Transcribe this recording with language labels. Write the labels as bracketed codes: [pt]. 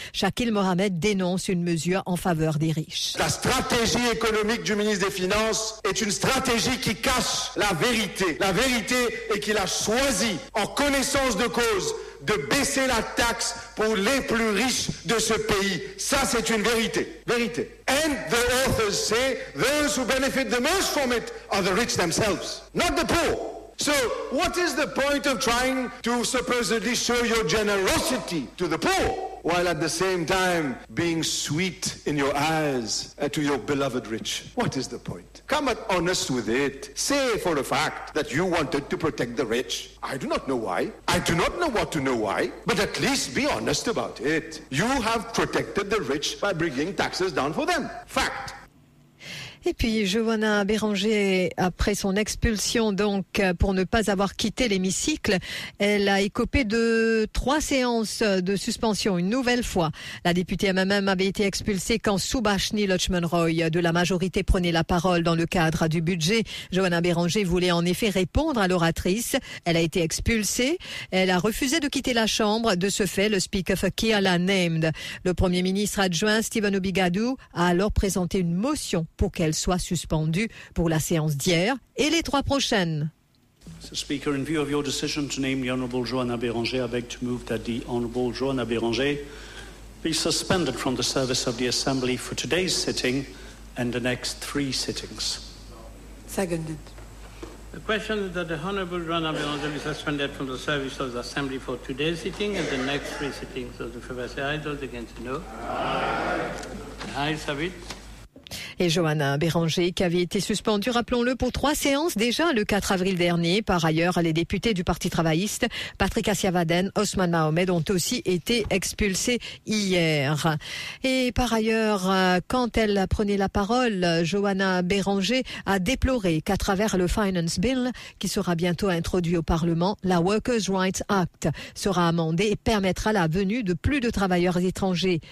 [fr] Shakeel Mohamed dénonce une mesure en faveur des riches. La stratégie économique du ministre des Finances est une stratégie qui cache la vérité. La vérité est qu'il a choisi, en connaissance de cause, de baisser la taxe pour les plus riches de ce pays. Ça, c'est une vérité. Vérité. [en] And the authors say those who benefit the most from it are the rich themselves, not the poor. So, what is the point of trying to supposedly show your generosity to the poor while at the same time being sweet in your eyes and to your beloved rich? What is the point? Come at honest with it. Say for a fact that you wanted to protect the rich. I do not know why. I do not know what to know why, but at least be honest about it. You have protected the rich by bringing taxes down for them. Fact. [fr] Et puis, Giovanna Béranger, après son expulsion, donc, pour ne pas avoir quitté l'hémicycle, elle a écopé de 3 séances de suspension, une nouvelle fois. La députée MMM avait été expulsée quand Subhashni Lakshmanroy de la majorité prenait la parole dans le cadre du budget. Giovanna Béranger voulait en effet répondre à l'oratrice. Elle a été expulsée. Elle a refusé de quitter la chambre. De ce fait, le speaker Fakir l'a named. Le premier ministre adjoint, Stephen Obigadou, a alors présenté une motion pour qu'elle soit suspendue pour la séance d'hier et les trois prochaines. [en] Mr. Speaker, in view of your decision to name the Honourable Joanna Béranger, I beg to move that the Honourable Joanna Béranger be suspended from the service of the Assembly for today's sitting and the next three sittings. Seconded. The question is that the Honourable Joanna Béranger be suspended from the service of the Assembly for today's sitting and the next three sittings. Those in favour say aye, those against no. Aye. The ayes have it. [fr] Et Joanna Béranger, qui avait été suspendue, rappelons-le, pour trois séances déjà le 4 avril dernier. Par ailleurs, les députés du Parti travailliste, Patrick Asiavaden, Osman Mahomed, ont aussi été expulsés hier. Et par ailleurs, quand elle prenait la parole, Joanna Béranger a déploré qu'à travers le Finance Bill, qui sera bientôt introduit au Parlement, la Workers' Rights Act sera amendée et permettra la venue de plus de travailleurs étrangers.